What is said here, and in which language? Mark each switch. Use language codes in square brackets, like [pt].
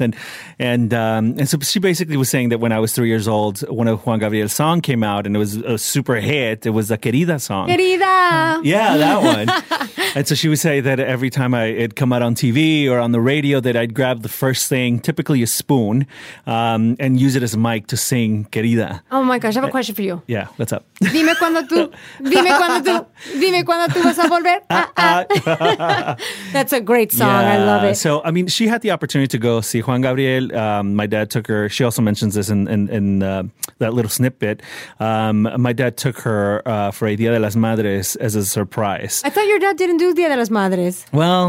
[en] And so she basically was saying that when I was 3 years old, one of Juan Gabriel's song came out, and it was a super hit. It was a Querida song. Querida! Yeah, that one. And so she would say that every time it'd come out on TV or on the radio, that I'd grab the first thing, typically a spoon, and use it as a mic to sing Querida. Oh my gosh, I have a question for you. Yeah, what's up? [es] Dime cuando tú vas a volver. [en] That's a great song. Yeah. I love it. So, I mean, she had the opportunity to go see Juan Gabriel. My dad took her. She also mentions this in that little snippet. My dad took her for a Día de las Madres as a surprise. I thought your dad didn't do Día de las Madres. Well,